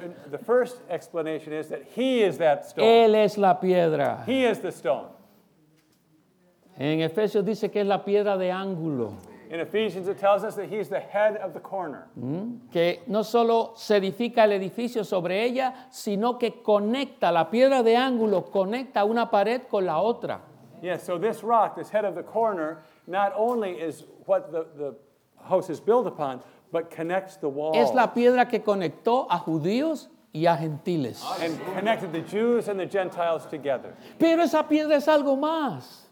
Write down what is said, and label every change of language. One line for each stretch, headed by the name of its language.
English: The first explanation is that he is that stone.
Spanish: Él es la piedra.
English: He is the stone.
Spanish: En Efesios dice que es la piedra de ángulo.
English: In Ephesians it tells us that he is the head of the corner. Mm-hmm.
Spanish: Que no solo se edifica el edificio sobre ella, sino que conecta, la piedra de ángulo conecta una pared con la otra.
English: Yes, so this rock, this head of the corner, not only is what the house is built upon, but connects the walls.
Spanish: Es la piedra que conectó a judíos y a gentiles.
English: And connected the Jews and the Gentiles together.
Spanish: Pero esa piedra es algo más.